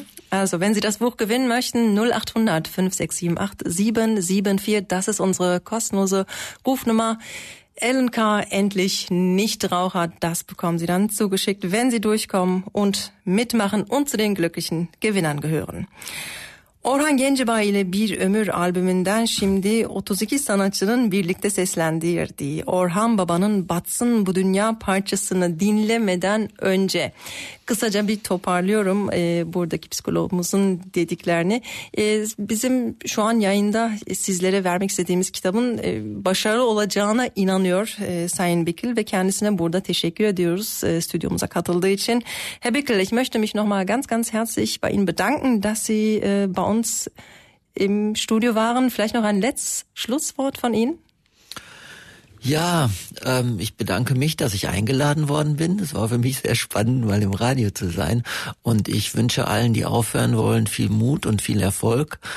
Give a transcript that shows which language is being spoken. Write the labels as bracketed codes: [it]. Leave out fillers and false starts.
[de] Also wenn Sie das Buch gewinnen möchten, 0800 5678 774. Das ist unsere kostenlose Rufnummer. LNK, endlich Nichtraucher, das bekommen Sie dann zugeschickt, wenn Sie durchkommen und mitmachen und zu den glücklichen Gewinnern gehören. [tr] Orhan Gencebay ile Bir Ömür albümünden şimdi 32 sanatçının birlikte seslendirdiği Orhan Baba'nın Batsın Bu Dünya parçasını dinlemeden önce kısaca bir toparlıyorum buradaki psikologumuzun dediklerini. Bizim şu an yayında sizlere vermek istediğimiz kitabın başarılı olacağına inanıyor Sayın Bickel ve kendisine burada teşekkür ediyoruz stüdyomuza katıldığı için. [de] Herr Bickel, ich möchte mich nochmal ganz ganz herzlich bei Ihnen bedanken, dass Sie bei uns im Studio waren. Vielleicht noch ein letztes Schlusswort von Ihnen? Ja, ich bedanke mich, dass ich eingeladen worden bin. Es war für mich sehr spannend, mal im Radio zu sein. Und ich wünsche allen, die aufhören wollen, viel Mut und viel Erfolg.